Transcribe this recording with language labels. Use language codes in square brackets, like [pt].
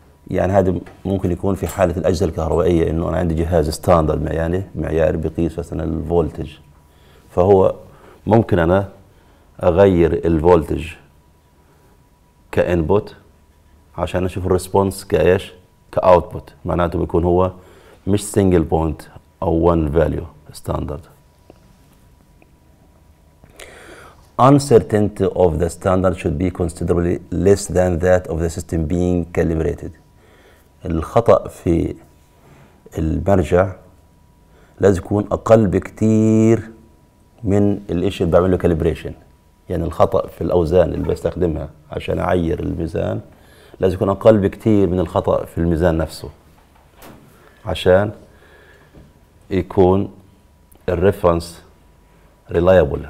[ar] يعني هذا ممكن يكون في حالة الأجهزة الكهربائية إنه أنا عندي جهاز ستاندرد يعني معيار بقيس مثلاً الفولتج، فهو ممكن أنا أغير الفولتج كإنبوت عشان أشوف الريسبونس كإيش كأوتبوت، معناته بيكون هو مش سينجل بوينت أو وان فاليو ستاندرد. [en] Uncertainty of the standard should be considerably less than that of the system being calibrated. [ar] الخطأ في المرجع لازم يكون أقل بكتير من الإشي اللي بعمله كاليبريشن. يعني الخطأ في الأوزان اللي بستخدمها عشان أعير الميزان لازم يكون أقل بكتير من الخطأ في الميزان نفسه عشان يكون الريفرنس ريلايبل.